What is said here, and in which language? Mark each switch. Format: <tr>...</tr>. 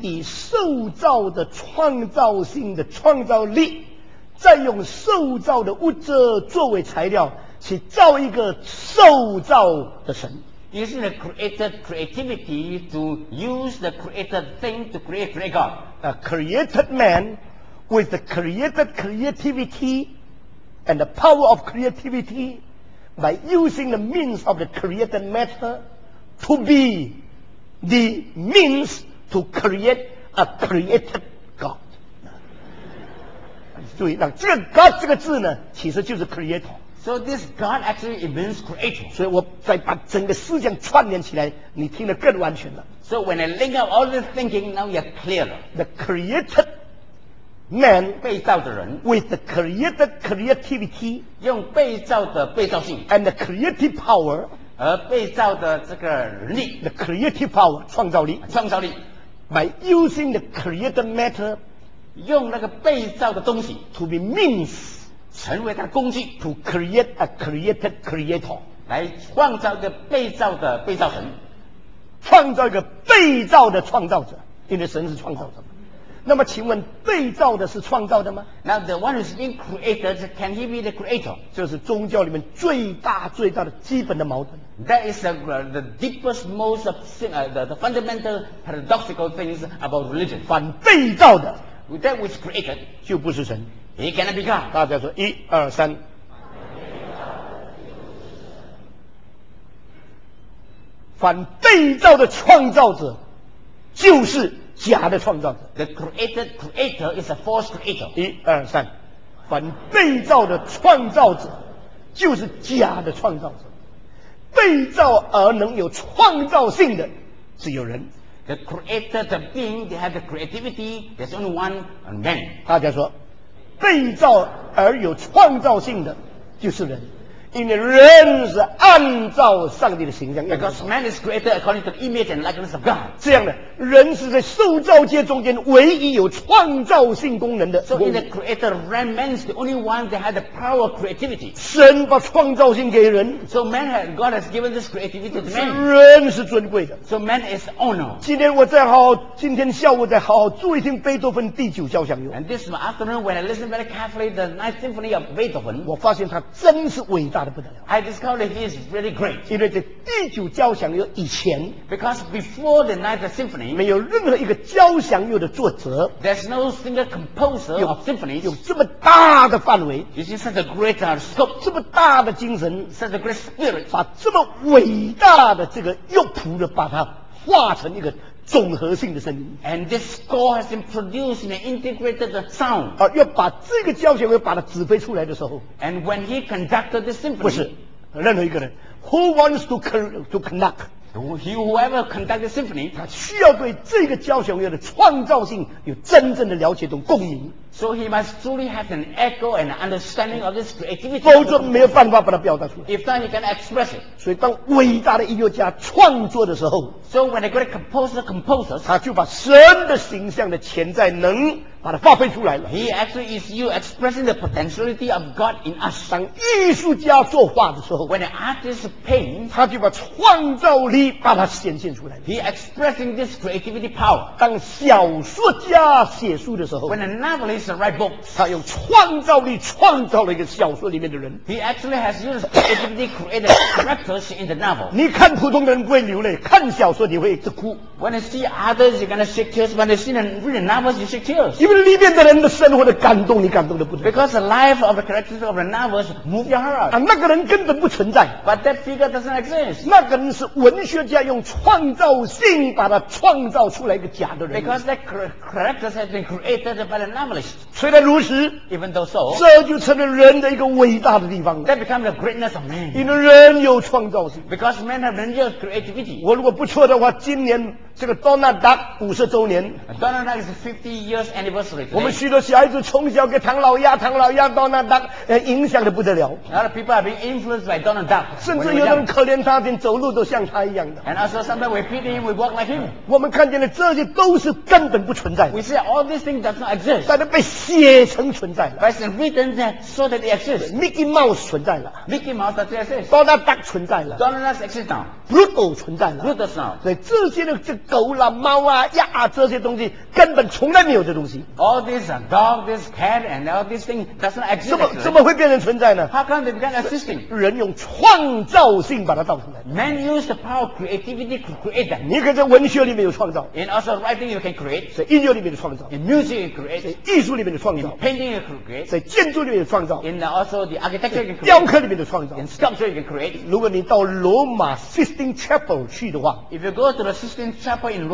<zh>以受造的创造性的创造力再用受造的物质作为材料去造一个受造的神</zh> <en>Using the created creativity to use the created thing to create great God A created man with the created creativity and the power of creativity by using the means of the created matter to beThe means to create a created God.</en> <zh>注意，那这个 God 这个字呢，其实就是 creator.</zh> <en>So this God actually it means creator.</en> <zh>所以我再把整个思想串联起来，你听得更完全了。</zh> <en>So when I link up all the thinking, now you're clear. The created man</en> <zh>被造的人</zh> <en>with the created creativity</en> <zh>用被造的被造性</zh> <en>and the creative power.</en> <zh>而被造的这个力</zh> <en>The creative power</en> <zh>创造力创造力</zh> <en>By using the created matter</en> <zh>用那个被造的东西</zh> <en>To be means</en> <zh>成为它的工具</zh> <en>To create a created creator</en> <zh>来创造一个被造的被造神创造一个被造的创造者因为神是创造者那么请问被造的是创造的吗</zh> <en>Now the one who's been created Can he be the creator</en> <zh>这是宗教里面最大最大的基本的矛盾</zh> <en>That is the deepest most of the fundamental paradoxical things about religion</en> <zh>反被造的</zh> <en>That which created</en> <zh>就不是神</zh> <en>He cannot be God</en> <zh>大家说一二三反被造的创造者就是假的创造者</zh> <en>The created creator is a false creator</en> <zh>一二三反被造的创造者就是假的创造者被造而能有创造性的只有人</zh> <en>The creator the being they have the creativity there's only one and man</en> <zh>大家说被造而有创造性的就是人因为人是按照上帝的形象。</zh> <en>Because man is created according to the image and likeness of God。</en> <zh>这样的人是在受造界中间唯一有创造性功能的。</zh> <en>So in the creator realm, man is the only one that has the power of creativity。</en> <zh>神把创造性给人。</zh> <en>So man has, God has given this creativity to man。</en> <zh>人是尊贵的。</zh> <en>So man is honor。</en> <zh>今天我再好好，今天下午再好好注意听贝多芬第九交响乐。</zh> <en>And this afternoon, when I listen very carefully the Ninth Symphony of Beethoven，</en> <zh>我发现他真是伟大。</zh> <en>I discovered that he is really great.</en> <zh>因为在第九交响乐以前</zh> <en>，because before the Ninth Symphony，</en> <zh>没有任何一个交响乐的作者</zh> <en>，there's no single composer of symphonies，</en> <zh>有这么大的范围</zh> <en>，you see such a great scope，</en> <zh>这么大的精神</zh> <en>，such a great spirit，</en> <zh>把这么伟大的这个乐谱的把它化成一个。总和性的声音</zh> <en>，and this score has been produced in an integrated sound。</en> <zh>啊，要把这个交响乐把它指挥出来的时候</zh> <en>，and when he conducted the symphony，</en> <zh>不是任何一个人 ，</zh> <en>who wants to conduct。 Whoever conduct the symphony，</en> <zh>他需要对这个交响乐的创造性有真正的了解，懂共鸣。</zh> <en>So he must truly have an echo and understanding of this creativity。</en> <zh>否则没有办法把它表达出来。</zh> <en>If not, he can express it。</en> <zh>所以当伟大的音乐家创作的时候</zh> <en>，So when a great composer composes，</en> <zh>他就把神的形象的潜在能把它发挥出来了。</zh> <en>He actually is you expressing the potentiality of God in us。</en> <zh>当艺术家作画的时候</zh> <en>，When an artist paints，</en> <zh>他就把创造力把它显现出来。</zh> <en>He expressing this creativity power。</en> <zh>当小说家写书的时候</zh> <en>，When a novelist write books，</en> <zh>他用创造力创造了一个小说里面的人。</zh> <en>He actually has used creativity created characters in the novel。</en> <zh>你看普通的人不会流泪，看小说你会一直哭。</zh> <en>When you see others, you're gonna shed tears. When you see the written novels, you shed tears.</en> <zh>因为里面的人的生活的感动，你感动的不得了。</zh> <en>Because the life of the characters of the novels move your heart.</en> <zh>啊，那个人根本不存在。</zh> <en>But that figure doesn't exist.</en> <zh>那个人是文学家用创造性把它创造出来一个假的人。</zh> <en>Because that character has been created by the novelist.</en> <zh>虽然如此</zh> <en>，even though so，</en> <zh>这就成了人的一个伟大的地方。</zh> <en>That becomes the greatness of man.</en> <zh>因为人有创造性。</zh> <en>Because men have real creativity.</en> <zh>我如果不错的话，今年。这个 Donald Duck 50周年</zh> <en>Donald Duck is 50 years anniversary today.</en> <zh>我们许多小孩子从小给唐老鸭唐老鸭 Donald Duck、影响得不得了</zh> <en>A lot of people have been influenced by Donald Duck</en> <zh>甚至有人可怜他连走路都像他一样的</zh> <en>And also sometimes we pity him we walk like him</en> <zh>我们看见的这些都是根本不存在</zh> <en>We see all these things does not exist</en> <zh>但是被写成存在了</zh> <en>But it's written there so that it exists</en> <zh>Mickey Mouse 存在了</zh> <en>Mickey Mouse does exist</en> <zh>Donald Duck 存在了</zh> <en>Donald Duck exists now</en> <zh>Brutto 存在了</zh> <en>Brutto's now</en> <zh>对这些呢狗啦、啊、猫啊、鸭啊，这些东西根本从来没有这东西。</zh> <en>All these dog, this cat, and all these things doesn't exist.</en> <zh>怎么会变成存在呢</zh> <en>？How come they become existing？</en> <zh>人用创造性把它造出来。</zh> <en>Man used the power of creativity to create them.</en> <zh>你可以在文学里面有创造。</zh> <en>In also writing, you can create.</en> <zh>在音乐里面的创造。</zh> <en>In music, you create.</en> <zh>在艺术里面的创造。</zh> <en>In painting, you create.</en> <zh>在建筑里面的创造。</zh> <en>In also the architecture, you create.</en> <zh>雕刻里面的创造。</zh> <en>In sculpture, you can create.</en> <zh>如果你到罗马 Sistine Chapel 去的话</zh> <en>，If you go to the Sistine Chapel。</en>